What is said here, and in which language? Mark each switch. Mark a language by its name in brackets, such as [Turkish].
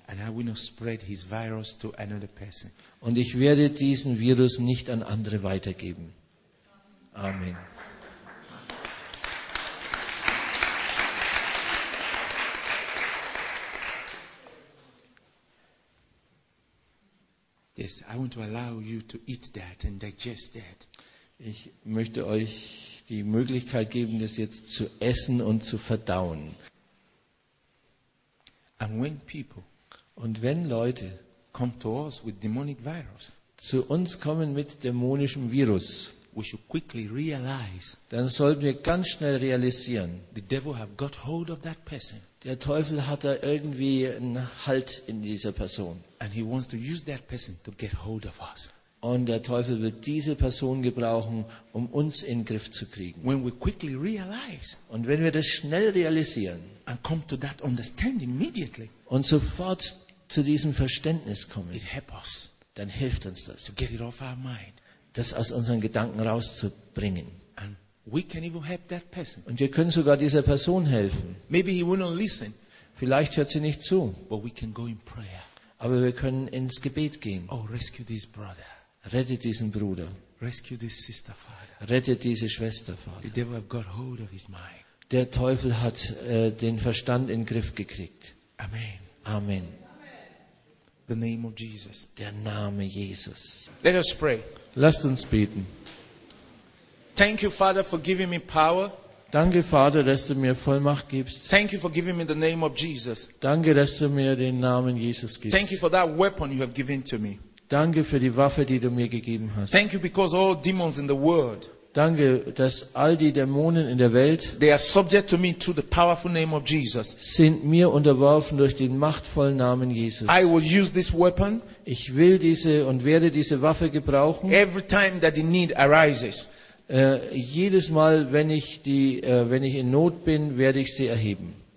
[English] And I will not spread his virus to another person. [German] Und ich werde diesen Virus nicht an andere weitergeben. [English] Amen. Yes, I want to allow you to eat that and digest that. [German] Ich möchte euch die Möglichkeit geben, das jetzt zu essen und zu verdauen. [English] And when people, [German] und wenn Leute, [English] come to us with demonic virus, [German] zu uns kommen mit dämonischem Virus, [English] we should quickly realize, [German] dann sollten wir ganz schnell realisieren, [English] the devil have got hold of that person. [German] Der Teufel hat da irgendwie einen Halt in dieser Person. [English] And he wants to use that person to get hold of us. [German] Und der Teufel wird diese Person gebrauchen, um uns in den Griff zu kriegen. [English] When we quickly realize, [German] und wenn wir das schnell realisieren, [English] and come to that understanding immediately, [German] und sofort zu diesem Verständnis kommen, [English] it help us, [German] dann hilft uns das, [English] to get it off our mind, [German] das aus unseren Gedanken rauszubringen. [English] We can even help that person. [German] Und wir können sogar dieser Person helfen. [English] Maybe he will not listen. [German] Vielleicht hört sie nicht zu. [English] But we can go in prayer. [German] Aber wir können ins Gebet gehen. [English] Oh, rescue this brother. [German] Rette diesen Bruder. [English] Rescue this sister, Father. [German] Rette diese Schwester, Vater. [English] The devil have got hold of his mind. [German] Der Teufel hat den Verstand in den Griff gekriegt. [English] Amen. [German] Amen. [English] The name of Jesus. [German] Der Name Jesus. [English] Let us pray. [German] Lasst uns beten. [English] Thank you, Father, for giving me power. [German] Danke, Vater, dass du mir Vollmacht gibst. [English] Thank you for giving me the name of Jesus. [German] Danke, dass du mir den Namen Jesus gibst. [English] Thank you for that weapon you have given to me. [German] Danke für die Waffe, die du mir gegeben hast. [English] Thank you because all demons in the world, [German] danke, dass all die Dämonen in der Welt, [English] they are subject to me through the powerful name of Jesus, [German] sind mir unterworfen durch den machtvollen Namen Jesus. [English] I will use this weapon. [German] Ich will diese und werde diese Waffe gebrauchen. [English] Every time that the need arises. [German] Jedes Mal, wenn ich in Not bin, werde ich sie erheben.